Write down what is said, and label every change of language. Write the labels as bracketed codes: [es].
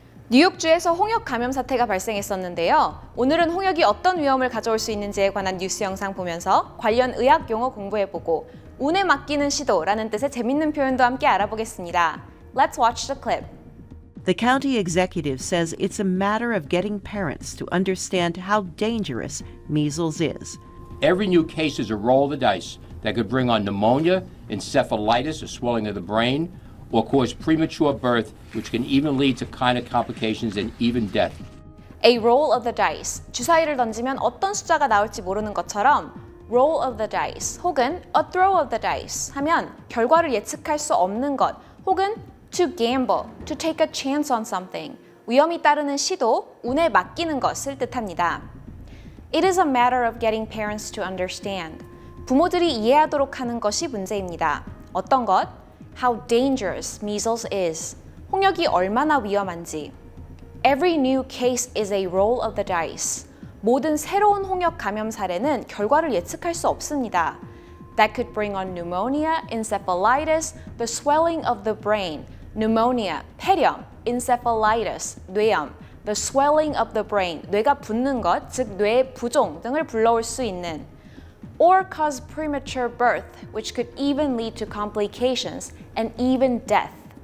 [ko] 뉴욕주에서 홍역 감염 사태가 발생했었는데요. 오늘은 홍역이 어떤 위험을 가져올 수 있는지에 관한 뉴스 영상 보면서 관련 의학 용어 공부해보고 운에 맡기는 시도라는 뜻의 재밌는 표현도 함께 알아보겠습니다. [en] Let's watch the clip. The county executive says it's a matter of getting parents to understand how dangerous measles is. Every new case is a roll of the dice that could bring on pneumonia, encephalitis, a swelling of the brain, or cause premature birth, which can even lead to kind of complications and even death. A roll of the dice. [ko] 주사위를 던지면 어떤 숫자가 나올지 모르는 것처럼 roll of the dice 혹은 a throw of the dice 하면 결과를 예측할 수 없는 것 혹은 [en] to gamble, to take a chance on something. [ko] 위험이 따르는 시도, 운에 맡기는 것을 뜻합니다. [en] It is a matter of getting parents to understand. [ko] 부모들이 이해하도록 하는 것이 문제입니다. 어떤 것? [en] How dangerous measles is. [ko] 홍역이 얼마나 위험한지. [en] Every new case is a roll of the dice. [ko] 모든 새로운 홍역 감염 사례는 결과를 예측할 수 없습니다. [en] That could bring on pneumonia, encephalitis, the swelling of the brain. [ko] Pneumonia, 폐렴, encephalitis, 뇌염, [en] the swelling of the brain, [ko] 뇌가 붓는 것, 즉 뇌의 부종 등을 불러올 수 있는. [en] Or cause premature birth, which could even lead to complications and even death.